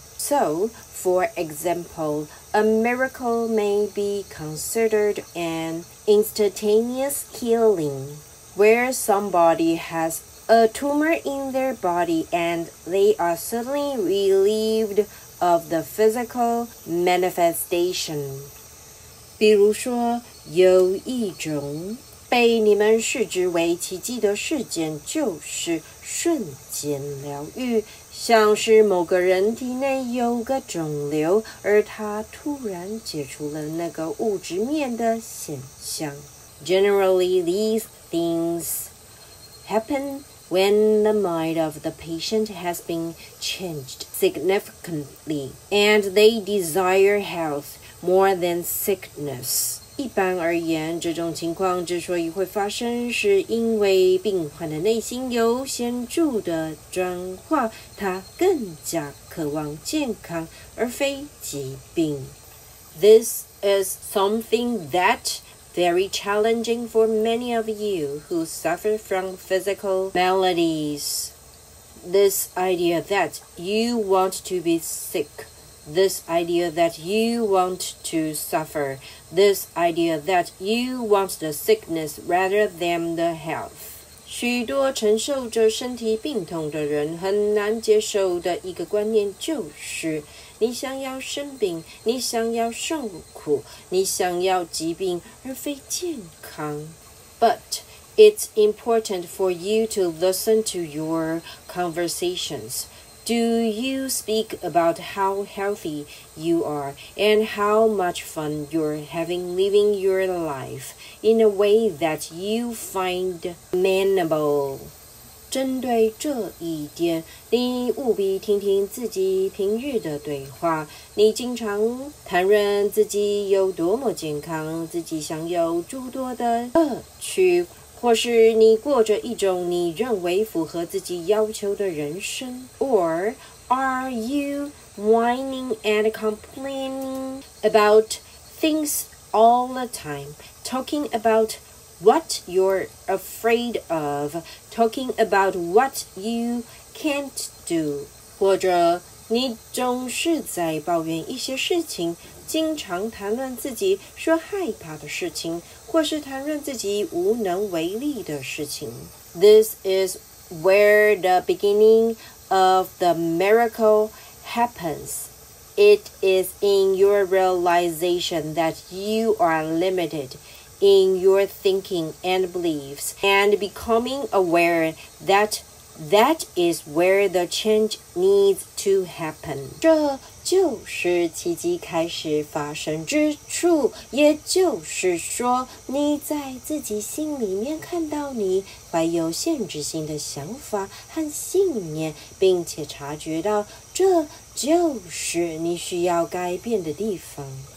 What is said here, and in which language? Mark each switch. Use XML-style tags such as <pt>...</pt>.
<en>So, for example, a miracle may be considered an instantaneous healing where somebody has a tumor in their body and they are suddenly relieved of the physical manifestation.</en> <zh>比如说有一种被你们视之为奇迹的事件，就是瞬间疗愈，像是某个人体内有个肿瘤，而他突然解除了那个物质面的现象。</zh> <en>Generally, these things happen when the mind of the patient has been changed significantly, and they desire health more than sickness.</en> <zh>一般而言，这种情况之所以会发生，是因为病患的内心有显著的转化，他更加渴望健康而非疾病。</zh> <en>This is something that very challenging for many of you who suffer from physical maladies. This idea that you want to be sick. This idea that you want to suffer. This idea that you want the sickness rather than the health.</en> <zh>许多承受着身体病痛的人很难接受的一个观念就是，你想要生病，你想要受苦，你想要疾病而非健康。</zh> <en>But it's important for you to listen to your conversations. Do you speak about how healthy you are and how much fun you're having living your life in a way that you find manageable?</en> <zh>针对这一点，你务必听听自己平日的对话。你经常谈论自己有多么健康，自己享有诸多的乐趣，或是你过着一种你认为符合自己要求的人生。</zh> <en>Or are you whining and complaining about things all the time? Talking about what you're afraid of? Talking about what you can't do?</en> <zh>或者你总是在抱怨一些事情，经常谈论自己说害怕的事情，或是谈论自己无能为力的事情。</zh> <en>This is where the beginning of the miracle happens. It is in your realization that you are limited in your thinking and beliefs, and becoming aware that That is where the change needs to happen.</en> <zh>这就是奇迹开始发生之处，也就是说，你在自己心里面看到你怀有限制性的想法和信念，并且察觉到这就是你需要改变的地方。</zh>